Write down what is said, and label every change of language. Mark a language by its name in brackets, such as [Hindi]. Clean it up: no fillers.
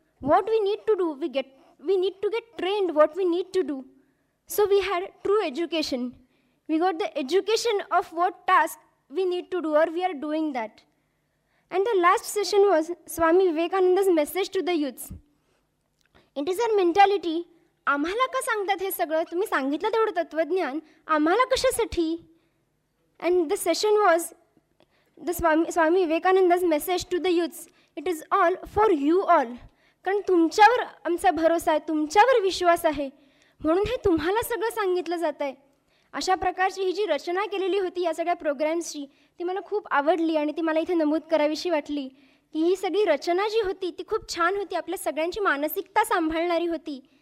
[English] What we need to do, we need to get trained what we need to do. So we had true education. We got the education of what task we need to do, or we are doing that. And the last session was Swami Vivekananda's message to the youths. It is our mentality. [Marathi] आम्हाला का सांगतात हे सगळं, तुम्ही सांगितलं तेवढं तत्वज्ञान आम्हाला कशासाठी. [English] And the session was the Swami Vivekananda's message to the youths. It is all for you all. [Marathi] कारण तुमच्यावर आमचा भरोसा आहे, तुमच्यावर विश्वास आहे, म्हणून हे तुम्हाला सगळं सांगितलं जात आहे. अशा प्रकारची ही जी रचना केलेली होती या सगळ्या प्रोग्रॅम्सची, ती मला खूप आवडली आणि ती मला इथे नमूद करावीशी वाटली की ही सगळी रचना जी होती ती खूप छान होती, आपल्या सगळ्यांची मानसिकता सांभाळणारी होती.